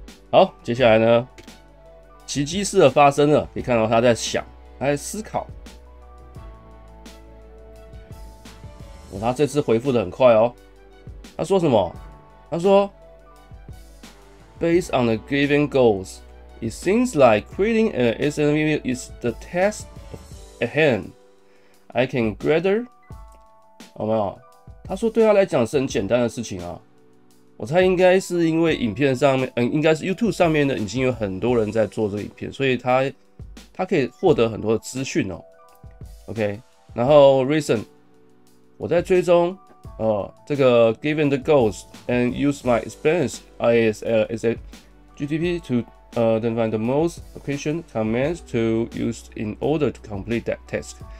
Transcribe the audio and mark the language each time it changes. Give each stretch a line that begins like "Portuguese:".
Chinese: 好，接下来呢，奇迹似的发生了，你看到他在想，他在思考。他这次回复的很快哦，他说什么？他说
English: Based on the given goals, it seems like creating an SMV is the task at hand. I can gather.
Chinese: 有没有？他说对他来讲是很简单的事情啊。我猜应该是因为影片上面，应该是 YouTube 上面的已经有很多人在做这个影片，所以他可以获得很多的资讯哦。
English: OK，
Chinese: 然后
English: Reason，
Chinese: 我在追踪这个
English: Given the goals and use my experience as a GTP to define the most efficient commands to use in order to complete that task。